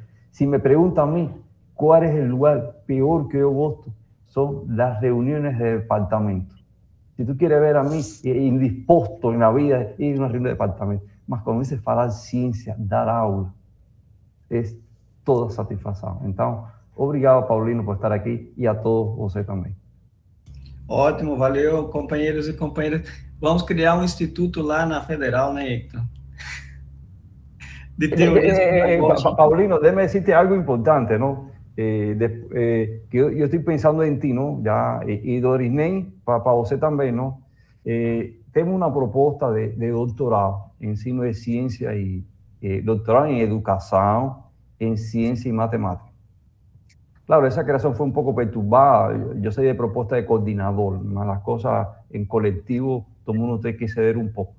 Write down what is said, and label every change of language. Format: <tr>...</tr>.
<es>Si me preguntan a mí cuál es el lugar peor que yo gusto, son las reuniones de departamento. Si tú quieres ver a mí indispuesto en la vida, ir a una reunión de departamento. Más cuando dices falar ciencia, dar aula, es todo satisfacción. Entonces, obrigado, Paulino, por estar aquí y a todos ustedes también.</es> <pt>Ótimo, valeu, companheiros e companheiras. Vamos criar um instituto lá na Federal, né, Hector? De teoria. Paulino, deixa eu dizer algo importante, não? Que eu estou pensando em ti, não? Já, e Dorisney, para você também, não? Temos uma proposta de doutorado em ensino de ciência e doutorado em educação, em ciência e matemática.</pt> <es>Claro, esa creación fue un poco perturbada. Yo soy de propuesta de coordinador, más las cosas en colectivo, todo el mundo tiene que ceder un poco.</es>